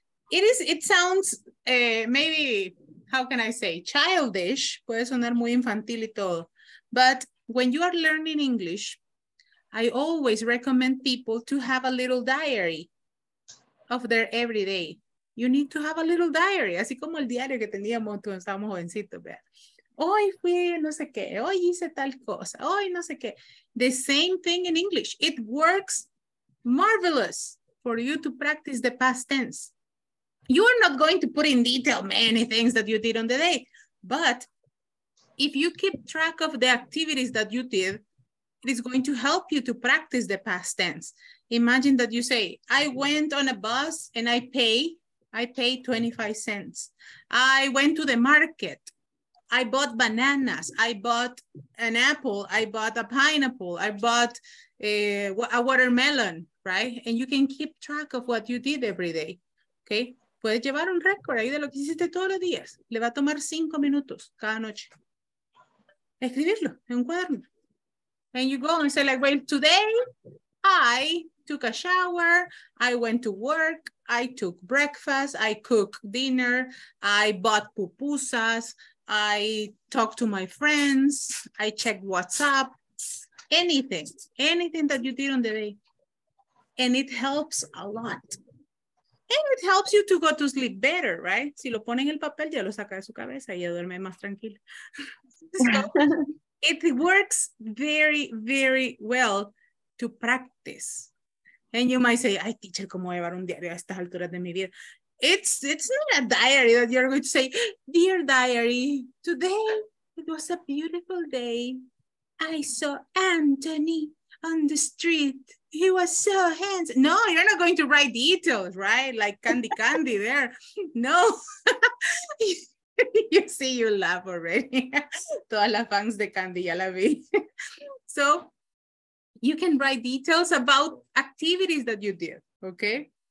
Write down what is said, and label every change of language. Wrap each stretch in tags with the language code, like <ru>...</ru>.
<en>It is, it sounds maybe, how can I say, childish.</en> <es>Puede sonar muy infantil y todo.</es> <en>But when you are learning English, I always recommend people to have a little diary of their everyday. You need to have a little diary.</en> <es>Así como el diario que teníamos cuando estábamos jovencitos, ¿verdad? Hoy fui no sé qué, hoy hice tal cosa, hoy no sé qué.</es> <en>The same thing in English. It works marvelous for you to practice the past tense. You are not going to put in detail many things that you did on the day, but if you keep track of the activities that you did, it is going to help you to practice the past tense. Imagine that you say, I went on a bus and I pay 25 cents. I went to the market. I bought bananas, I bought an apple, I bought a pineapple, I bought a watermelon, right? And you can keep track of what you did every day, okay?</en> <es>Puedes llevar un récord ahí de lo que hiciste todos los días. Le va a tomar 5 minutos cada noche. Escribirlo en un cuaderno.</es> <en>And you go and say like, well, today I took a shower, I went to work, I took breakfast, I cooked dinner, I bought pupusas, I talk to my friends, I check WhatsApp, anything that you did on the day. And it helps a lot. And it helps you to go to sleep better, right?</en> <es>Si lo pone en el papel, ya lo saca de su cabeza y ya duerme más tranquilo.</es> <en>So, it works very, very well to practice. And you might say, ay, teacher,</en> <es>¿cómo voy a llevar un diario a estas alturas de mi vida?</es> <en>It's not a diary that you're going to say, dear diary, today it was a beautiful day. I saw Anthony on the street. He was so handsome. No, you're not going to write details, right? Like candy there. No. You see, you laugh already.</en> <es>Todas las fans de candy ya la vi.</es> <en>So you can write details about activities that you did, okay?</en>